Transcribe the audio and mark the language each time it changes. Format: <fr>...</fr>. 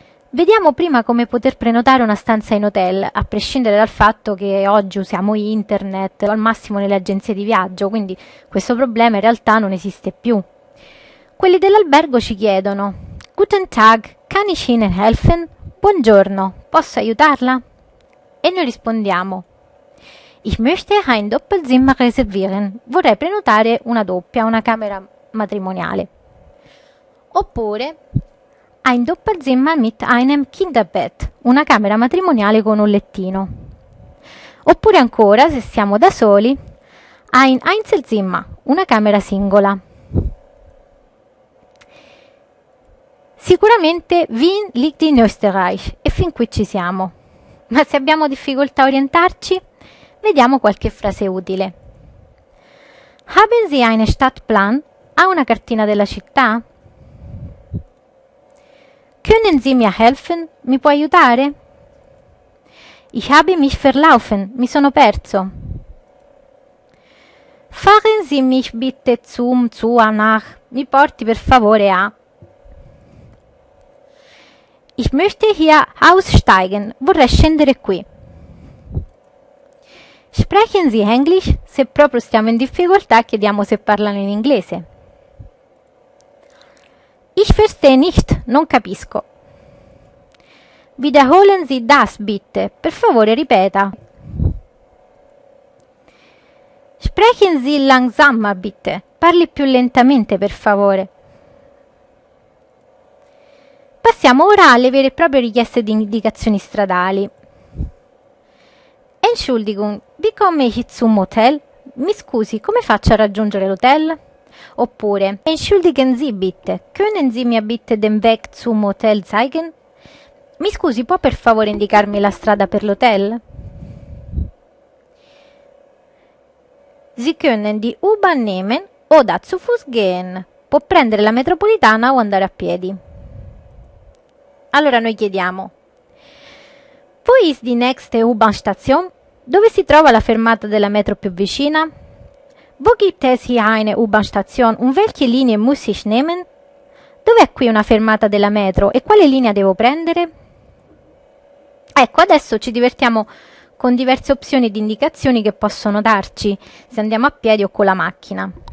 <it>Vediamo prima come poter prenotare una stanza in hotel, a prescindere dal fatto che oggi usiamo internet, o al massimo nelle agenzie di viaggio, quindi questo problema in realtà non esiste più. Quelli dell'albergo ci chiedono:</it> <de>Guten Tag, kann ich Ihnen helfen?</de> <it>Buongiorno, posso aiutarla? E noi rispondiamo:</it> <de>Ich möchte ein Doppelzimmer reservieren.</de> <it>Vorrei prenotare una doppia, una camera matrimoniale. Oppure:</it> <de>Ein Doppelzimmer mit einem Kinderbett,</de> <it>una camera matrimoniale con un lettino. Oppure ancora, se siamo da soli:</it> <de>Ein Einzelzimmer,</de> <it>una camera singola. Sicuramente</it> <de>Wien liegt in Österreich</de> <it>e fin qui ci siamo. Ma se abbiamo difficoltà a orientarci, vediamo qualche frase utile.</it> <de>Haben Sie einen Stadtplan?</de> <it>Ha una cartina della città?</it> <de>Können Sie mir helfen?</de> <it>Mi può aiutare?</it> <de>Ich habe mich verlaufen,</de> <it>mi sono perso.</it> <de>Fahren Sie mich bitte zum Zoo nach.</de> <it>Mi porti per favore a.</it> <de>Ich möchte hier aussteigen.</de> <it>Vorrei scendere qui.</it> <de>Sprechen Sie Englisch?</de> <it>Se proprio stiamo in difficoltà, chiediamo se parlano in inglese.</it> <de>Ich verstehe nicht.</de> <it>Non capisco.</it> <de>Wiederholen Sie das bitte.</de> <it>Per favore, ripeta.</it> <de>Sprechen Sie langsamer bitte.</de> <it>Parli più lentamente, per favore. Passiamo ora alle vere e proprie richieste di indicazioni stradali.</it> <de>Entschuldigung, wie komme ich zum Hotel?</de> <it>Mi scusi, come faccio a raggiungere l'hotel? Oppure,</it> <de>Entschuldigen Sie bitte, können Sie mir bitte den Weg zum Hotel zeigen?</de> <it>Mi scusi, può per favore indicarmi la strada per l'hotel?</it> <de>Sie können die U-Bahn nehmen oder zu Fuß gehen.</de> <it>Può prendere la metropolitana o andare a piedi. Allora noi chiediamo:</it> <de>Wo ist die nächste U-Bahn-Station?</de> <it>Dove si trova la fermata della metro più vicina?</it> <de>Wo gibt es hier eine U-Bahn-Station und welche Linie muss ich nehmen?</de> <it>Dov'è qui una fermata della metro e quale linea devo prendere? Ecco, adesso ci divertiamo con diverse opzioni di indicazioni che possono darci se andiamo a piedi o con la macchina.</it>